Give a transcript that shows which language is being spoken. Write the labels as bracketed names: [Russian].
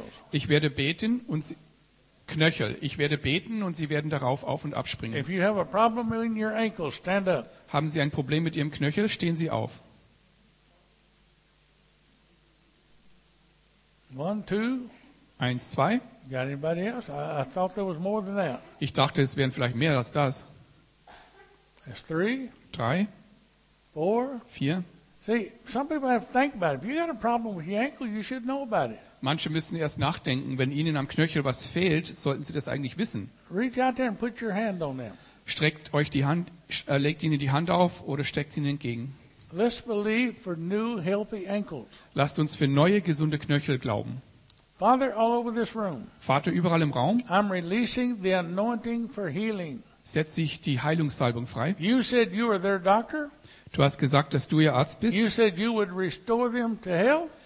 [German] Ich werde beten und sie, Knöchel. Ich werde beten und sie werden darauf auf und abspringen. [English] If you have a problem in your ankle, stand up. [German] Haben Sie ein Problem mit Ihrem Knöchel? Stehen Sie auf. [English] One, two. [German] Eins, zwei. [English] Got anybody else? I thought there was more than that. [German] Ich dachte, es wären vielleicht mehr als das. [English] That's three. [German] Drei. [English] Four. [German] Vier. [English] See, some people have to think about it. If you got a problem with your ankle, you should know about it. [German] Manche müssen erst nachdenken. Wenn ihnen am Knöchel was fehlt, sollten sie das eigentlich wissen. [English] Reach out there and put your hand on them. [German] Streckt euch die Hand, legt ihnen die Hand auf oder streckt sie ihnen entgegen. [English] Let's believe for new healthy ankles. [German] Lasst uns für neue gesunde Knöchel glauben. [English] Father, all over this room. [German] Vater, überall im Raum. [English] I'm releasing the anointing for healing. [German] Setz sich die Heilungssalbung frei. [English] You said you were their doctor. [German] Du hast gesagt, dass du ihr Arzt bist. [English] You said you would restore them to health.